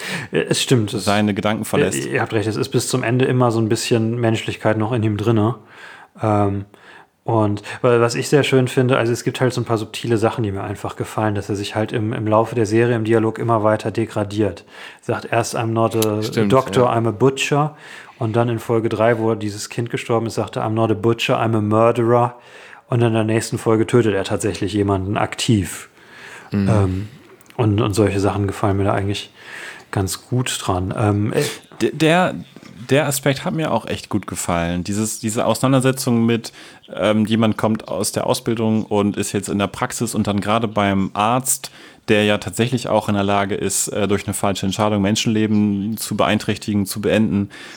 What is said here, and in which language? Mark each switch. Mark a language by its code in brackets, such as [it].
[de] es stimmt, seine Gedanken verlässt. Ihr habt recht, es ist bis zum Ende immer so ein bisschen Menschlichkeit noch in ihm drin. Und was ich sehr schön finde, also es gibt halt so ein paar subtile Sachen, die mir einfach gefallen, dass er sich halt im Laufe der Serie im Dialog immer weiter degradiert. Sagt erst, [en] I'm not a doctor, I'm a butcher. [de] Und dann in Folge 3, wo dieses Kind gestorben ist, sagt er, [en] I'm not a butcher, I'm a murderer. [de] Und in der nächsten Folge tötet er tatsächlich jemanden aktiv. Und solche Sachen gefallen mir da eigentlich ganz gut dran. Der Aspekt hat mir auch echt gut gefallen. Diese Auseinandersetzung mit jemand kommt aus der Ausbildung und ist jetzt in der Praxis und dann gerade beim Arzt, der ja tatsächlich auch in der Lage ist, durch eine falsche Entscheidung Menschenleben zu beeinträchtigen, zu beenden.